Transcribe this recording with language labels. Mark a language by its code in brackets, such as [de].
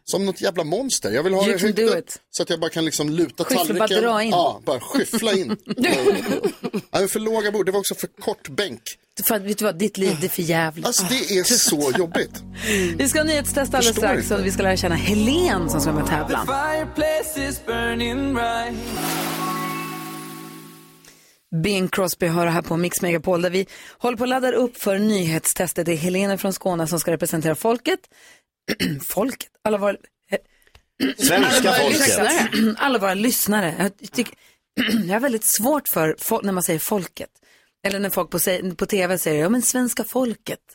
[sv] Som något jävla monster. Jag vill ha det högt upp så att jag bara kan liksom luta tallriken. Bara dra in. Ja, bara skyffla in. Nej, för låga bord. Det var också för kort bänk. För, vet du vad, ditt liv är för jävligt. Alltså det är så jobbigt. Vi ska ha nyhetstest alldeles strax och vi ska lära känna Helen som ska med tävlan. [en] The fireplace is burning bright. [sv] Bing Crosby hör här på Mix Megapol där vi håller på att ladda upp för nyhetstestet. Det är Helene från Skåne som ska representera folket. Folket? Alla våra... Svenska alla våra folket. Lyssnare. Alla våra lyssnare. Jag har väldigt svårt för när man säger folket. Eller när folk på tv säger, ja men svenska folket.